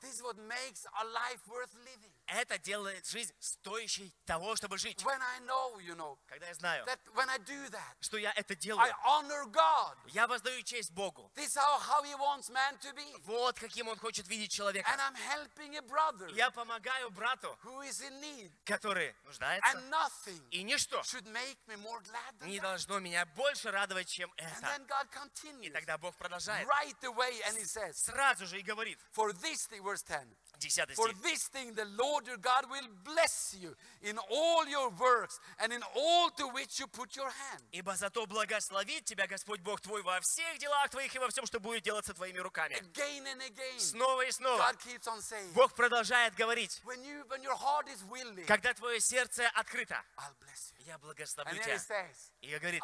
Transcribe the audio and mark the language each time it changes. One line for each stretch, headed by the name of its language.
English: This is what makes a life worth living.
Russian: Это делает жизнь стоящей того, чтобы жить.
English: When I know, you know.
Russian: Когда я знаю.
English: That when I do that.
Russian: Что я это делаю.
English: I honor God.
Russian: Я воздаю честь Богу.
English: This is how He wants man to be.
Russian: Вот каким Он хочет видеть человека.
English: And I'm helping a brother.
Russian: Я помогаю брату.
English: Who is in need.
Russian: Который нуждается.
English: And nothing.
Russian: И ничто.
English: Should make me more glad than
Russian: не должно
English: that.
Russian: Меня больше радовать, чем это.
English: And then God continues.
Russian: И тогда Бог продолжает.
English: Right away, and He says.
Russian: Сразу же и говорит.
English: For this thing, verse 10.
Russian: Десятый
English: for
Russian: стих.
English: This thing the Lord your God will bless you in all your works and in all to which you put your hand.
Russian: Ибо за то благословит тебя Господь Бог твой во всех делах твоих и во всем, что будет делаться твоими руками.
English: Again and again.
Russian: Снова и снова.
English: God keeps on saying.
Russian: Бог продолжает говорить.
English: When your heart is willing.
Russian: Когда твое сердце открыто.
English: I'll bless you.
Russian: Я благословлю тебя.
English: And then he says.
Russian: И говорит.